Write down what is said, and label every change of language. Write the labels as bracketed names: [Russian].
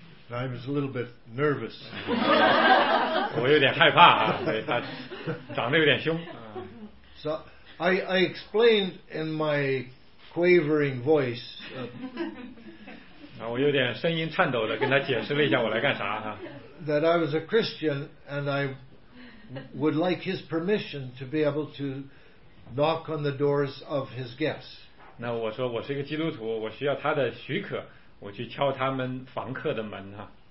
[English] I was a little bit nervous. [Chinese] 我有点害怕啊，对他长得有点凶。 [English] So I explained in my quavering voice. [Chinese] 啊，我有点声音颤抖的跟他解释了一下我来干啥哈。 [English] That I was a Christian and I would like his permission to be able to knock on the doors of his guests. [Chinese] 那我说我是一个基督徒，我需要他的许可。我去敲他们房客的门啊。